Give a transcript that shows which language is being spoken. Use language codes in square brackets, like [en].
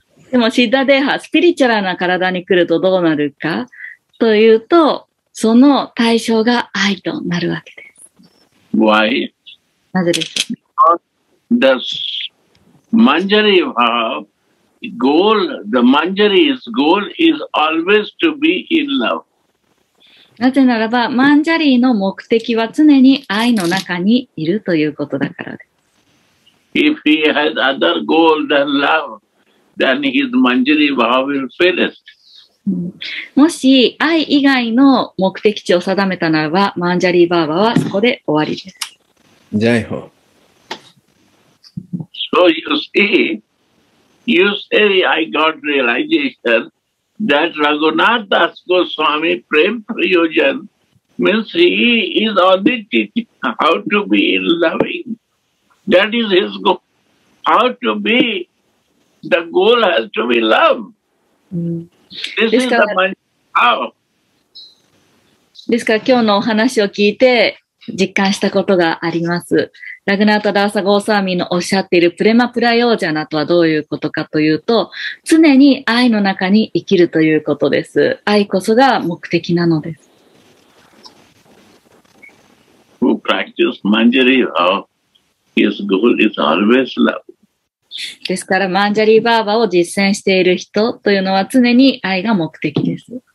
[ja] でも siddha deha, スピリチュアルな体に来るとどうなるかというと、その対象が愛となるわけです。 [en] Why? [ja] なぜでしょう? [en] Because the manjari bhava,Goal, the manjari's goal is always to be in love. [ja] なぜならば、マンジャリーの目的は常に愛の中にいるということだからです。 [en] If he has other goal than love, then his manjari vow will finish. [ja] もし愛以外の目的地を定めたならば、マンジャリーバーバーはそこで終わりです。ジャイホ。 [en] So you see,You say I got realization that Raghunath Das Goswami Prem Prayojan means he is only teaching how to be in loving. That is his goal. How to be, the goal has to be love.、 Mm. This is the man. How? [ja] ですから今日のお話を聞いて実感したことがあります。ラグナータ・ダーサ・ゴーサーミーのおっしゃっているプレマ・プラヨージャナとはどういうことかというと、常に愛の中に生きるということです。愛こそが目的なのです。 [en] Who practices manjari vow, his goal is always love. [ja] ですから、マンジャリーバーバを実践している人というのは常に愛が目的です。